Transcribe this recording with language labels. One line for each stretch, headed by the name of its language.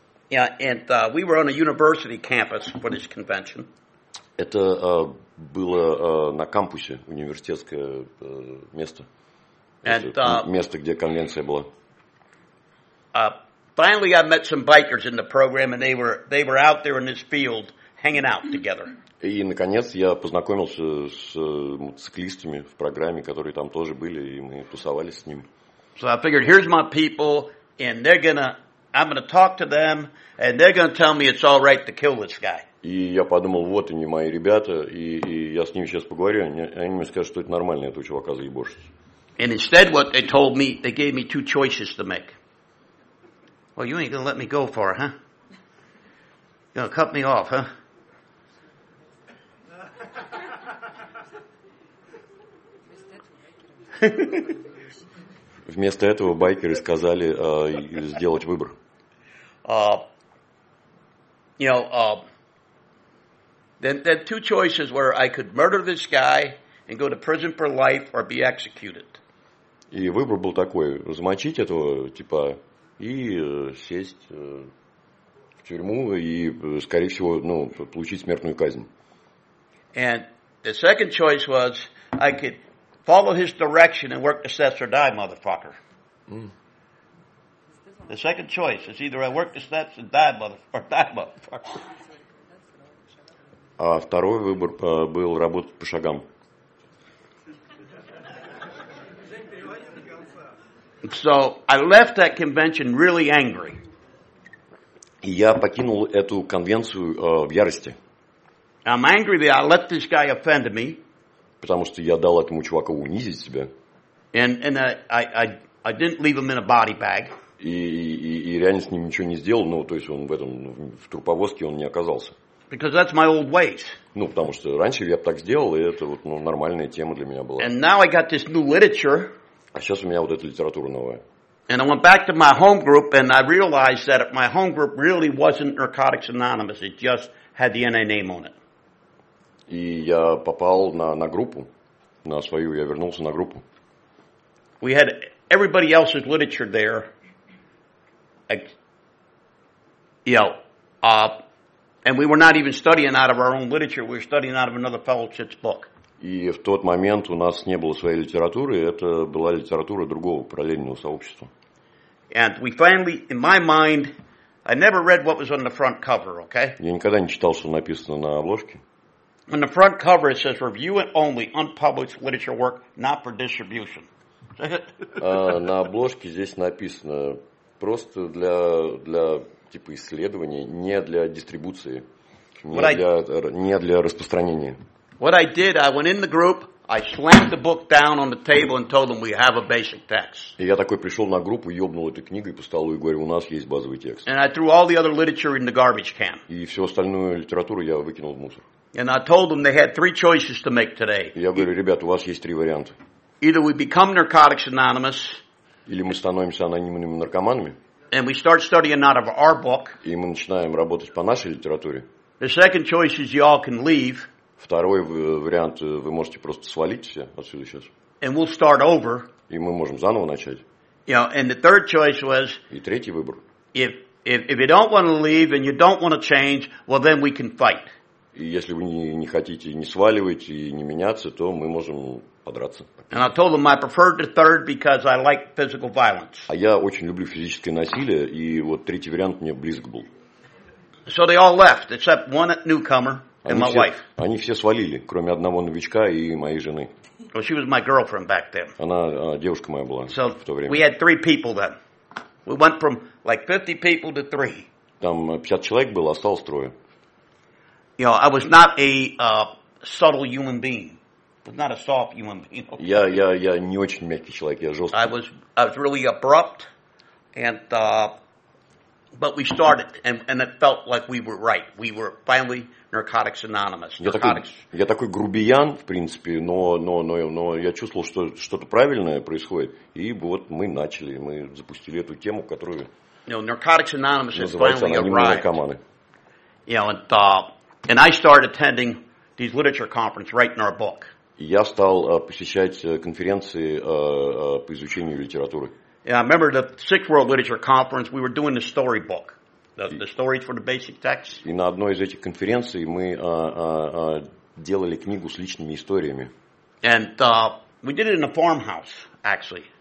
English: Yeah, and we were on a university campus for this convention.
Russian: Это было на кампусе, университетское место. Место, где конвенция была.
English: Finally, I met some bikers in the program, and they were out there in this field hanging out together.
Russian: И наконец я познакомился с мотоциклистами в программе, которые там тоже были, и мы тусовались с ними.
English: So I figured, here's my people, and I'm gonna talk to them, and they're gonna tell me it's all right to kill this guy.
Russian: И я подумал, вот они мои ребята, и я с ними сейчас поговорю, они мне скажут, что это нормально, этого чувака заебошить.
English: And instead, what they told me, they gave me two choices to make. Well, you ain't gonna let me go for it, huh? You're gonna cut me off, huh?
Russian: Вместо этого байкеры сказали сделать выбор.
English: Then two choices were: I could murder this guy and go to prison for life, or be executed.
Russian: И выбор был такой: замочить этого типа и сесть в тюрьму и, скорее всего, ну, получить смертную казнь.
English: And the second choice was I could follow his direction and work to set or die, motherfucker. The second choice is either I work to set or die, motherfucker.
Russian: А второй выбор был работать по шагам.
English: So I left that convention really angry.
Russian: И я покинул эту конвенцию в ярости.
English: I'm angry that I let this guy offend me.
Russian: Потому что я дал этому чуваку унизить себя.
English: And I didn't leave him in a body bag.
Russian: И реально с ним ничего не сделал, ну, то есть он в этом в труповозке он не оказался.
English: Because that's my old ways.
Russian: Ну, потому что раньше я бы так сделал, и это вот, ну, нормальная тема для меня была.
English: And now I got this new literature.
Russian: А сейчас у меня вот эта литература новая.
English: And I went back to my home group, and I realized that my home group really wasn't Narcotics Anonymous. It just had the NA name on it.
Russian: И я попал на группу, на свою, я вернулся на группу.
English: We had everybody else's literature there. And we were not even studying out of our own literature. We were studying out of another fellowship's book.
Russian: И в тот момент у нас не было своей литературы, это была литература другого параллельного сообщества.
English: And we finally, in my mind, I never read what was on the front cover, okay?
Russian: Я никогда не читал, что написано на обложке.
English: On the front cover it says, review it only, unpublished literature work, not for distribution.
Russian: На обложке здесь написано, просто для типа исследования, не для дистрибуции, не для распространения.
English: What I did, I went in the group, I slammed the book down on the table and told them we have a basic text.
Russian: И я такой пришел на группу, ёбнул эту книгу по столу и говорю, у нас есть базовый текст.
English: And I threw all the other literature in the garbage can.
Russian: И всю остальную литературу я выкинул в мусор.
English: And I told them they had three choices to make today.
Russian: Я говорю, ребят, у вас есть три варианта.
English: Either we become Narcotics Anonymous.
Russian: Или мы становимся анонимными наркоманами.
English: And we start studying out of our book.
Russian: И мы начинаем работать по нашей литературе.
English: The second choice is y'all can leave.
Russian: Второй вариант, вы можете просто свалить все отсюда сейчас.
English: And we'll start over.
Russian: И мы можем заново начать.
English: You know, and the third choice was,
Russian: и третий выбор.
English: If you don't want to leave and you don't want to change, well then we can fight.
Russian: И если вы не хотите не сваливать и не меняться, то мы можем подраться.
English: And I told them I preferred the third because I like physical violence.
Russian: А я очень люблю физическое насилие, и вот третий вариант мне близок был.
English: So they all left, except one newcomer. And my wife.
Russian: Они все свалили, кроме одного новичка и моей жены.
English: Well, she was my girlfriend back then.
Russian: Она девушка моя была в то время.
English: We had three people then. We went from like 50 people to three.
Russian: там 50 человек было, осталось трое.
English: You know, I was not a subtle human being. But not a soft human being. Okay.
Russian: Я не очень мягкий человек, я жесткий.
English: I was really abrupt, but we started, and it felt like we were right. We were finally Narcotics Anonymous.
Russian: Я такой грубиян, в принципе, но я чувствовал, что что-то правильное происходит, и вот мы начали, мы запустили эту тему, которую
English: Narcotics Anonymous has finally arrived.
Russian: Называется наркоманы.
English: You know, and I started attending these literature conferences, writing our book.
Russian: Я стал посещать конференции по изучению литературы.
English: Yeah, I remember the Sixth World Literature Conference. We were doing the storybook, the stories for the basic text.
Russian: И на одной из этих конференций мы делали книгу с личными историями.
English: And we did it in a farmhouse, actually.